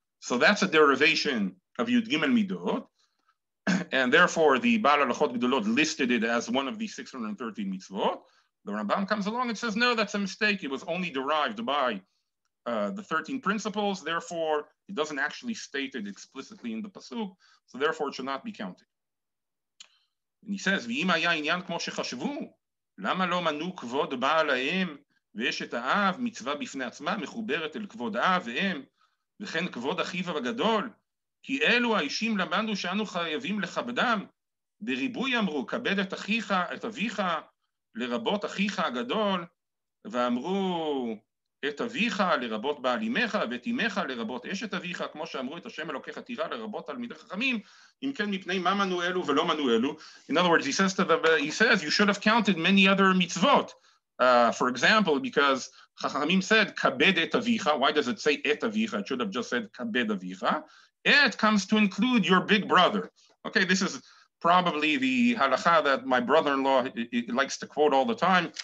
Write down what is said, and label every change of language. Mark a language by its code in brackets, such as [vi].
[en] So that's a derivation of Yud Gimel Midot. And therefore, the Baal Halachot Gdolot listed it as one of the 613 mitzvot. The Rambam comes along and says, no, that's a mistake. It was only derived by the 13 principles. Therefore, it doesn't actually state it explicitly in the Pasuk. So therefore, it should not be counted. And he says, [he] V'im haya inyan kmo shechashvu, lama lo manu kvod baal ha'im, ויש האב מצווה בפני עצמה מחוברת אל כבוד האב והם וכן כבוד אחיו הגדול כי אלו האישים למדנו שאנו חייבים לכבדם בריבוי אמרו כבד את אחיך את אביך לרבות אחיך הגדול ואמרו את אביך לרבות בעל אמך ואת אמך לרבות אשת אביך כמו שאמרו את השם אלוקי חתירה לרבות תלמידי חכמים אם כן מפני מה מנו אלו ולא מנו אלו. [en] In other words, he says you should have counted many other mitzvot. For example, because Hakhamim said, [he] kabed et avicha. [en] Why does it say et avicha? It should have just said [he] kabed avicha. [en] It comes to include your big brother. Okay, this is probably the halakha that my brother-in-law likes to quote all the time.